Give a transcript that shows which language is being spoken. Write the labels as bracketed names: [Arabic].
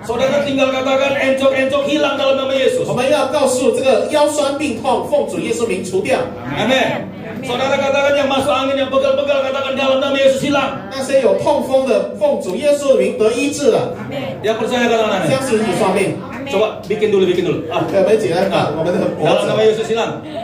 [Indonesian] Saudara tinggal katakan encok-encok hilang dalam nama Yesus. [Chinese] 我们要告诉这个腰酸病痛，奉主耶稣名除掉. [Indonesian] Amin. Saudara katakan yang masuk angin yang pegal-pegal katakan dalam nama Yesus hilang. [Chinese] 那些有痛风的，奉主耶稣名得医治了. [Indonesian] Yang percaya katakan amin. [Chinese] 相信主说明. [Indonesian] Coba bikin dulu, bikin dulu. Dalam nama Yesus hilang.